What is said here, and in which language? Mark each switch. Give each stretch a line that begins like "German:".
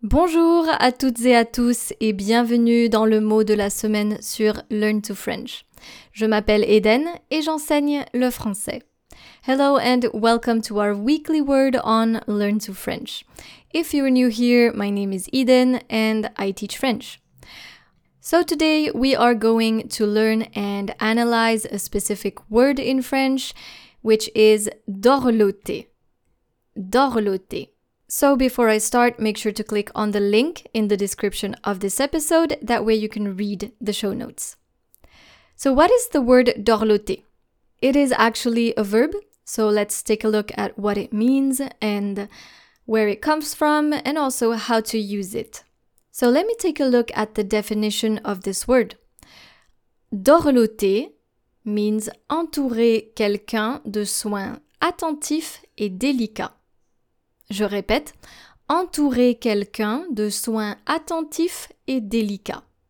French: Bonjour à toutes et à tous et bienvenue dans le mot de la semaine sur Learn to French. Je m'appelle Eden et j'enseigne le français.
English: Hello and welcome to our weekly word on Learn to French. If you're new here, my name is Eden and I teach French. So today we are going to learn and analyze a specific word in French, which is dorloter. Dorloter. So before I start, make sure to click on the link in the description of this episode, that way you can read the show notes. So what is the word dorloter? It is actually a verb, so let's take a look at what it means and where it comes from and also how to use it. So let me take a look at the definition of this word.
French: Dorloter
English: means
French: entourer quelqu'un de soins attentifs et délicats. Je répète, entourer quelqu'un de soins attentifs et délicats.